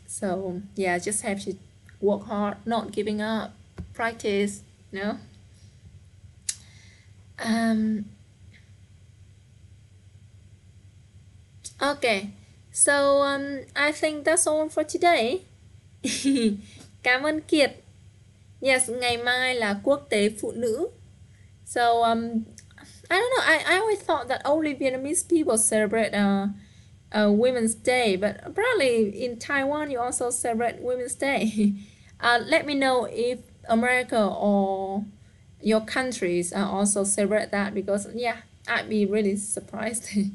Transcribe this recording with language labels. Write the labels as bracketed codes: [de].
[en] So yeah, just have to work hard, not giving up, practice, you know. Okay, so I think that's all for today. [vi] Cảm ơn Kiệt. Yes, ngày mai là quốc tế phụ nữ. [en] So I don't know, I always thought that only Vietnamese people celebrate Women's Day, but apparently in Taiwan you also celebrate Women's Day. Let me know if America or your countries also celebrate that, because yeah, I'd be really surprised.